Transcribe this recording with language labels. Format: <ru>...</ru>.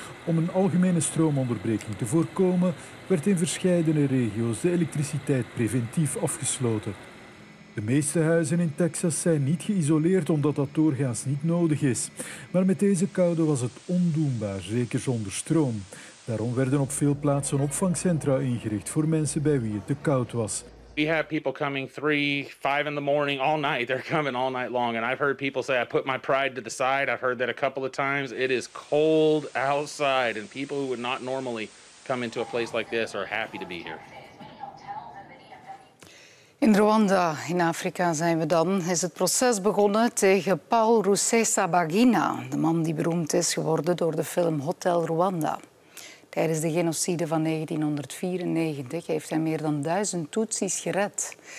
<nl>Om een algemene stroomonderbreking te voorkomen, werd in verschillende regio's de elektriciteit preventief afgesloten. De meeste huizen in Texas zijn niet geïsoleerd omdat dat doorgaans niet nodig is. Maar met deze koude was het ondoenbaar, zeker zonder stroom. Daarom werden op veel plaatsen opvangcentra ingericht voor mensen bij wie het te koud was.</nl> <en>We have people coming 3, 5 in the morning, all night. They're coming all night long. And I've heard people say, I put my pride to the side. I've heard that a couple of times. It is cold outside. And people who would not normally come into a place like this are happy to be here.</en> <nl>In Rwanda, in Afrika zijn we dan, is het proces begonnen tegen Paul Rusesabagina. De man die beroemd is geworden door de film Hotel Rwanda. Tijdens de genocide van 1994 heeft hij meer dan 1000 Tutsi's gered.</nl>